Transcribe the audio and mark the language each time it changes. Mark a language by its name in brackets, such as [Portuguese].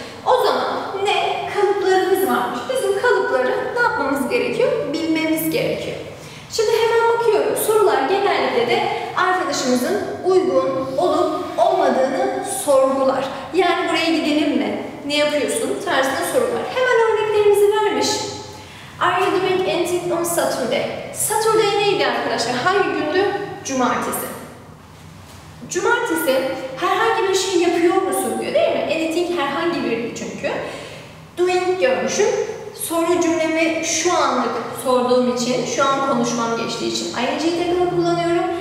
[Turkish] O zaman ne? Kalıplarımız varmış. Bizim kalıpları ne yapmamız gerekiyor? Bilmemiz gerekiyor. Şimdi hemen bakıyorum. Sorular genellikle de arkadaşımızın uygun olup olmadığını sorgular. Yani buraya gidelim mi? Ne yapıyorsun? Tarzında sorular. Hemen örneklerimizi vermiş. [English] Are you doing anything on Saturday? [Turkish] Saturday neydi arkadaşlar? Hangi gündü? Cumartesi. Cumartesi herhangi bir şey yapıyor musun diyor değil mi? Anything herhangi bir çünkü. Doing görmüşüm. Soru cümlemi şu anlık sorduğum için, şu an konuşmam geçtiği için ing takımı kullanıyorum.